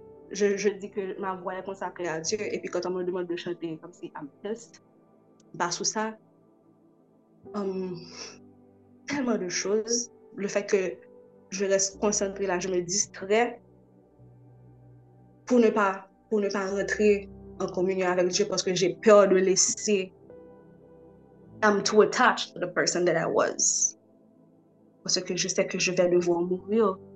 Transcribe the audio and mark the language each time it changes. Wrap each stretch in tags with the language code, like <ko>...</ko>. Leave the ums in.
<fr>Je, je, dis que ma voix est consacrée à Dieu. Et puis quand on me demande de chanter comme si I'm bah sous ça, um, tellement de choses. Le fait que je reste concentrée là, je me distrais pour ne pas, pour ne pas rentrer en communion avec Dieu parce que j'ai peur de laisser.</fr> <en>I'm too attached to the person that I was.</en> <fr>Parce que je sais que je vais devoir mourir.</fr>